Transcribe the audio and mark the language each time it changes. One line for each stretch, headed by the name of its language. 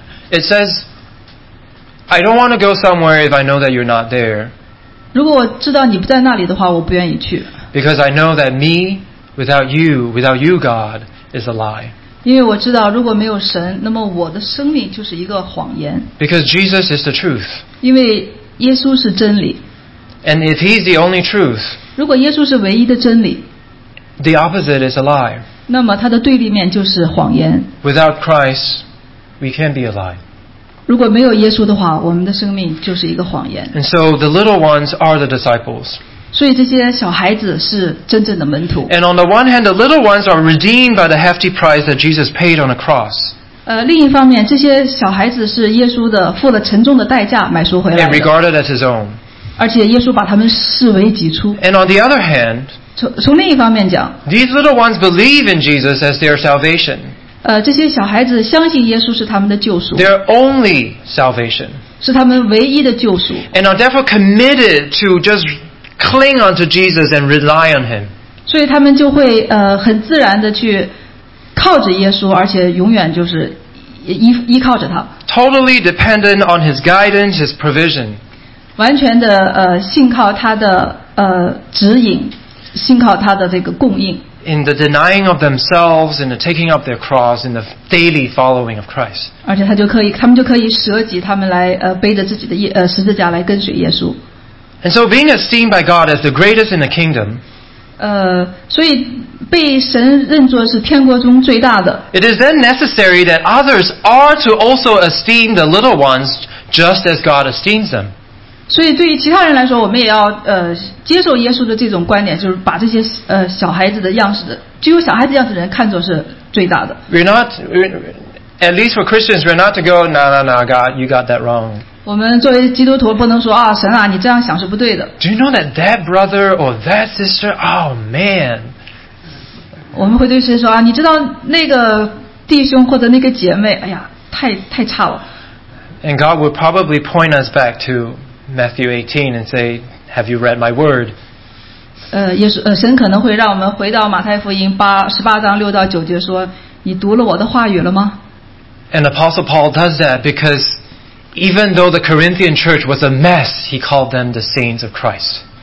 English: It says, "I don't want to go somewhere if I know that you're not there."
Chinese: 如果我知道你不在那里的话，我不愿意去。
English: Because I know that me, without you, God, is a lie.
Chinese: 因为我知道如果没有神，那么我的生命就是一个谎言。
English: Because Jesus is the truth.
Chinese: 因为耶稣是真理。
English: And if he's the only truth,
Chinese: 如果耶稣是唯一的真理，
English: the opposite is a lie.
Chinese: 那么他的对立面就是谎言。
English: Without Christ, we can't be a lie.
Chinese: 如果没有耶稣的话，我们的生命就是一个谎言。
English: And so the little ones are the disciples.
Chinese: 所以这些小孩子是真正的门徒。
English: And on the one hand, the little ones are redeemed by the hefty price that Jesus paid on the cross.
Chinese: 另一方面，这些小孩子是耶稣的付了沉重的代价买赎回来的。
English: And regarded as his own.
Chinese: 而且耶稣把他们视为己出。
English: And on the other hand,
Chinese: 从另一方面讲
English: ，these little ones believe in Jesus as their salvation.
Chinese: 这些小孩子相信耶稣是他们的救赎。
English: Their only salvation.
Chinese: 是他们唯一的救赎。
English: And are therefore committed to just cling onto Jesus and rely on him.
Chinese: 所以他们就会很自然的去靠着耶稣，而且永远就是依靠着他。
English: Totally dependent on his guidance, his provision.
Chinese: 完全的信靠他的指引，信靠他的这个供应。
English: In the denying of themselves, in the taking up their cross, in the daily following of Christ.
Chinese: 而且他们就可以舍己，他们来背着自己的十字架来跟随耶稣。
English: And so, being esteemed by God as the greatest in the kingdom.
Chinese: 所以被神认作是天国中最大的。
English: It is then necessary that others are to also esteem the little ones just as God esteems them.
Chinese: 所以对于其他人来说，我们也要接受耶稣的这种观点，就是把这些小孩子的样式的，只有小孩子样子的人看作是最大的。
English: We're not, at least for Christians, we're not to go, no, no, no, God, you got that wrong.
Chinese: 我们作为基督徒不能说啊，神啊，你这样想是不对的。
English: Do you know that that brother or that sister, oh man.
Chinese: 我们会对神说啊，你知道那个弟兄或者那个姐妹，哎呀，太差了。
English: And God would probably point us back to. Matthew 18 and say, "Have you read my word?"
Chinese: 耶稣神可能会让我们回到马太福音18:6-9说，你读了我的话语了吗
English: ？And Apostle Paul does that because even though the Corinthian church was a mess, he called them the saints of Christ.